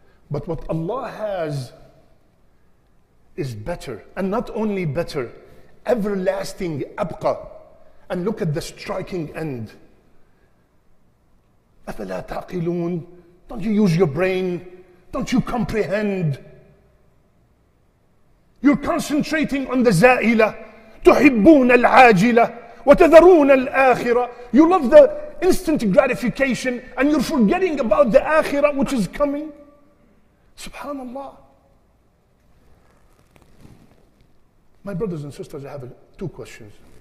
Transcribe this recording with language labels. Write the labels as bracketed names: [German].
[English] But what Allah has is better, and not only better, everlasting, abqa. And look at the striking end. [Arabic] أَفَلَا تَعْقِلُونَ. [English] Don't you use your brain? Don't you comprehend? You're concentrating on the زائلة. [Arabic] تحبون العاجلة وتذرون الآخرة. [English] You love the instant gratification and you're forgetting about the آخرة which is coming. [Arabic] سبحان الله. [English] My brothers and sisters, I have two questions.